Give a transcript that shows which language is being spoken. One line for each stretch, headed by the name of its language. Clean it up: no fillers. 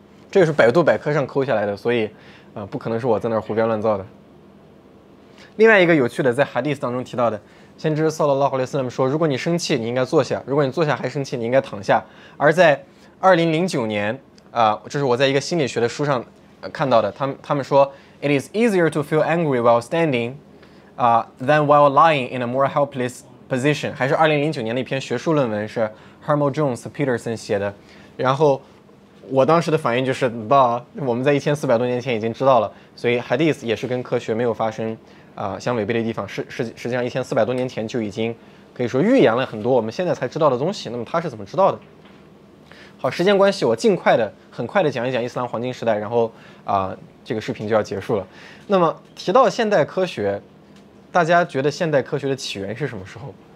Chinese: 这个是百度百科上抠下来的，所以不可能是我在那儿胡编乱造的。另外一个有趣的，在 Hadith 当中提到的，先知 Sallallahu Alaihi Wasallam 说，如果你生气你应该坐下，如果你坐下还生气你应该躺下。而在2009年，这是我在一个心理学的书上看到的，他们说
English: It is easier to feel angry while standing than while lying in a more helpless position，
Chinese: 还是2009年的一篇学术论文，是 Hermel Jones Peterson 写的。然后我当时的反应就是我们在1400多年前已经知道了，所以 Hadith 也是跟科学没有发生相违背的地方。实际上1400多年前就已经可以说预言了很多我们现在才知道的东西，那么他是怎么知道的。好，时间关系，我尽快的很快的讲一讲伊斯兰黄金时代，然后这个视频就要结束了。那么提到现代科学，大家觉得现代科学的起源是什么时候？